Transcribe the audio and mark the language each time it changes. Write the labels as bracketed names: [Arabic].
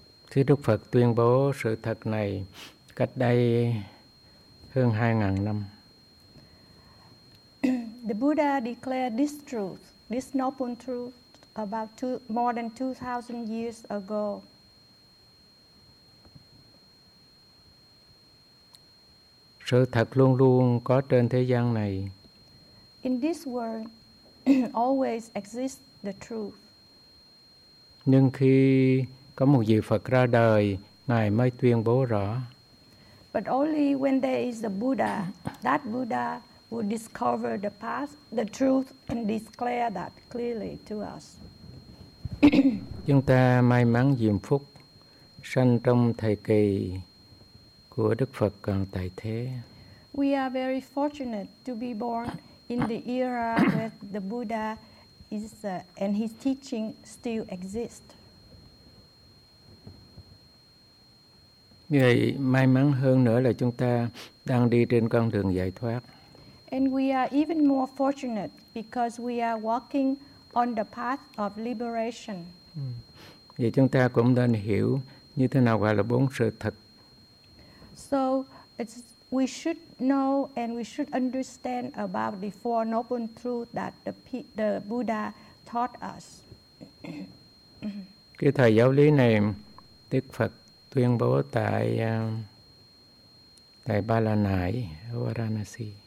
[Vietnamese] Thì Đức Phật tuyên bố sự thật này cách đây hơn 2000 năm. [English] The Buddha declared this truth, this noble truth, about more than 2000 years ago. [Vietnamese] Sự thật luôn luôn có trên thế gian này. [English] In this world always exists the truth. [Vietnamese] Nhưng khi có một vị Phật ra đời, ngài mới tuyên bố rõ. [English] But only when there is a Buddha, that Buddha will discover the path, the truth and declare that clearly to us. [Vietnamese] Chúng ta may mắn diệm phúc sanh trong thời kỳ của Đức Phật còn tại thế. [English] We are very fortunate to be born in the era where the Buddha is and his teaching still exist. [Vietnamese] Vậy may mắn hơn nữa là chúng ta đang đi trên con đường giải thoát. [English] And we are even more fortunate because we are walking on the path of liberation. [Vietnamese] Vậy chúng ta cũng nên hiểu như thế nào gọi là bốn sự thật. [English] So we should know and we should understand about the four noble truths that the Buddha taught us. [Vietnamese] Cái thời giáo lý này Đức Phật tuyên bố tại tại Ba La Nại, Varanasi.